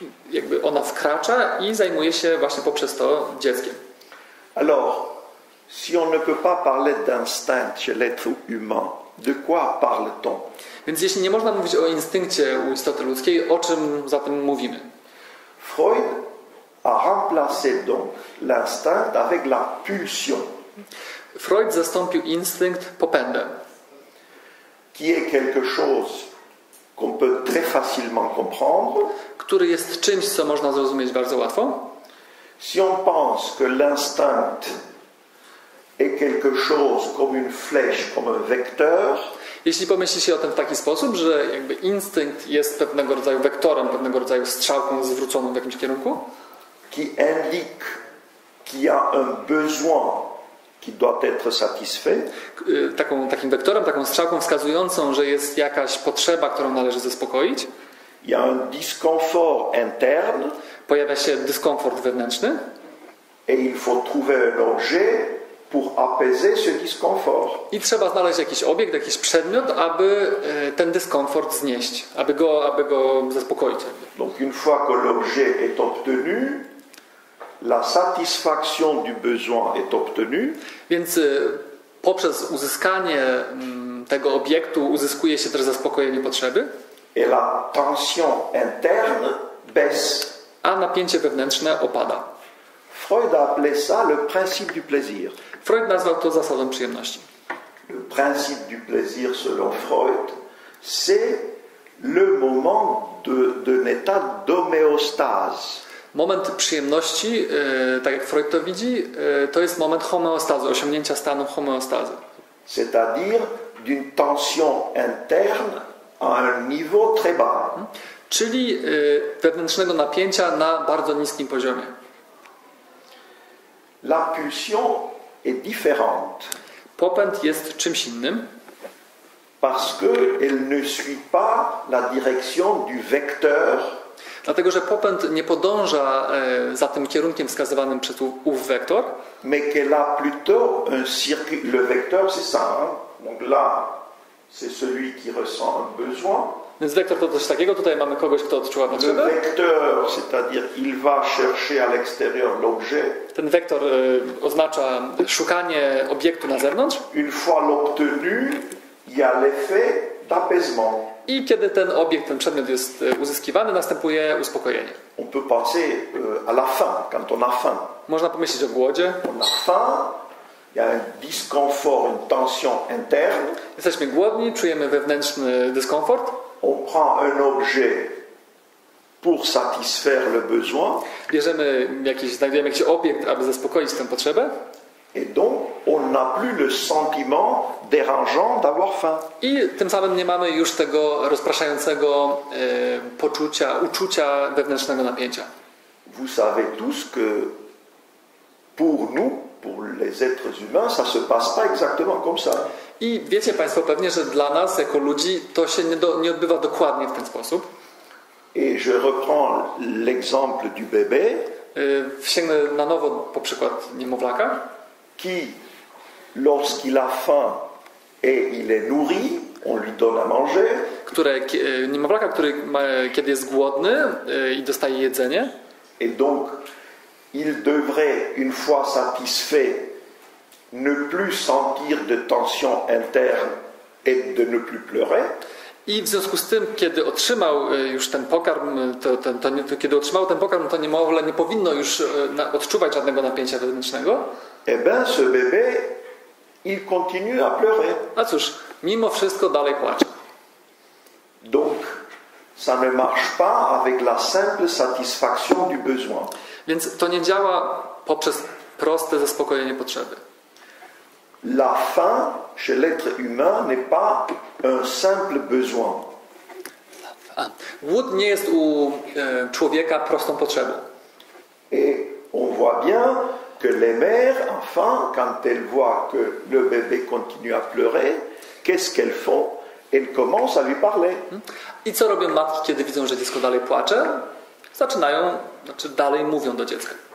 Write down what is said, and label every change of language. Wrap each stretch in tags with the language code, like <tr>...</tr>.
<pl>Jakby ona wkracza i zajmuje się właśnie poprzez to dzieckiem.</pl> <fr>Alors, si on ne peut pas parler d'instinct chez l'être humain, de quoi parle-t-on?</fr> <pl>Więc jeśli nie można mówić o instynkcie u istoty ludzkiej, o czym zatem mówimy?</pl> <fr>Freud a remplacé donc l'instinct avec la pulsion.</fr> <pl>Freud zastąpił instynkt popędem,</pl> <fr>qui est quelque chose qu'on peut très facilement comprendre,</fr> <pl>który jest czymś, co można zrozumieć bardzo łatwo.</pl> <fr>Si on pense que l'instinct est quelque chose comme une flèche, comme un vecteur,</fr> <pl>jeśli pomyśli się o tym w taki sposób, że jakby instynkt jest pewnego rodzaju wektorem, pewnego rodzaju strzałką zwróconą w jakimś kierunku,</pl> <fr>qui indique qu'il y a un besoin qui doit être satisfait.</fr> <pl>Takim wektorem, taką strzałką wskazującą, że jest jakaś potrzeba, którą należy zaspokoić.</pl> <fr>Il y a un discomfort interne.</fr> <pl>Pojawia się dyskomfort wewnętrzny.</pl> <fr>Et il faut trouver un objet pour apaiser ce discomfort.</fr> <pl>I trzeba znaleźć jakiś obiekt, jakiś przedmiot, aby ten dyskomfort znieść, aby go zaspokoić.</pl> <fr>Donc une fois que l'objet est obtenu, la satisfaction du besoin est obtenue.</fr> <pl>Więc poprzez uzyskanie tego obiektu uzyskuje się też zaspokojenie potrzeby.</pl> <fr>Et la tension interne baisse.</fr> <pl>A napięcie wewnętrzne opada.</pl> <fr>Freud a appelé ça le principe du plaisir.</fr> <pl>Freud nazwał to zasadą przyjemności.</pl> <fr>Le principe du plaisir selon Freud, c'est le moment d'un état d'homéostase.</fr> <pl>Moment przyjemności, tak jak Freud to widzi, to jest moment homeostazy, osiągnięcia stanu homeostazy.</pl> <fr>C'est-à-dire d'une tension interne à un niveau très bas.</fr> <pl>Czyli wewnętrznego napięcia na bardzo niskim poziomie.</pl> <fr>La pulsion est différente.</fr> <pl>Popęd jest czymś innym.</pl> <fr>Parce que elle ne suit pas la direction du vecteur.</fr> <pl>Dlatego, że popęd nie podąża za tym kierunkiem wskazywanym przez ów wektor.</pl> <fr>Mais qu'elle a plutôt un circuit. Le vecteur, c'est ça. Hein? Donc là, c'est celui qui ressent un besoin.</fr> <pl>Więc wektor to coś takiego. Tutaj mamy kogoś, kto odczuwa potrzebę.</pl> <fr>Le vecteur, c'est-à-dire il va chercher à l'extérieur l'objet.</fr> <pl>Ten wektor oznacza szukanie obiektu na zewnątrz.</pl> <fr>Une fois l'obtenu, il y a l'effet d'apaisement.</fr> <pl>I kiedy ten obiekt, ten przedmiot jest uzyskiwany, następuje uspokojenie.</pl> <fr>On peut penser à la faim, quand on a faim.</fr> <pl>Można pomyśleć o głodzie.</pl> <fr>On a faim, il y a un discomfort, une tension interne.</fr> <pl>Jesteśmy głodni, czujemy wewnętrzny dyskomfort.</pl> <fr>On prend un objet pour satisfaire le besoin.</fr> <pl>Bierzemy jakiś, znajdujemy jakiś obiekt, aby zaspokoić tę potrzebę.</pl> <fr>Et donc, on n'a plus le sentiment dérangeant d'avoir faim.</fr> <pl>I tym samym nie mamy już tego rozpraszającego poczucia, uczucia wewnętrznego napięcia.</pl> <fr>Vous savez tous que pour nous, pour les êtres humains, ça se passe pas exactement comme ça.</fr> <pl>I wiecie państwo pewnie, że dla nas jako ludzi to się nie odbywa dokładnie w ten sposób.</pl> <fr>Et je reprends l'exemple du bébé.</fr> <pl>Sięgnę na nowo po przykład niemowlaka.</pl> <fr>Qui, lorsqu'il a faim et il est nourri, on lui donne à manger.</fr> <pl>Które niemowlaka, który ma, kiedy jest głodny i dostaje jedzenie.</pl> <fr>Et donc, il devrait, une fois satisfait, ne plus sentir de tension interne et de ne plus pleurer.</fr> <pl>I w związku z tym, kiedy otrzymał już ten pokarm, kiedy otrzymał ten pokarm, to niemowlę nie powinno już odczuwać żadnego napięcia wewnętrznego.</pl> <fr>Eh bien, ce bébé, il continue à pleurer.</fr> <pl>A cóż, mimo wszystko dalej płacze.</pl> <fr>Donc, ça ne marche pas avec la simple satisfaction du besoin.</fr> <pl>Więc to nie działa poprzez proste zaspokojenie potrzeby.</pl> <fr>La faim chez l'être humain n'est pas un simple besoin.</fr> <pl>Głód nie jest u człowieka prostą potrzebą.</pl> <fr>Et on voit bien que les mères, enfin, quand elles voient que le bébé continue à pleurer, qu'est-ce qu'elles font? Elles commencent à lui parler.</fr> <pl>I co robią matki, kiedy widzą, że dziecko dalej płacze? Zaczynają, znaczy dalej mówią do dziecka.</pl>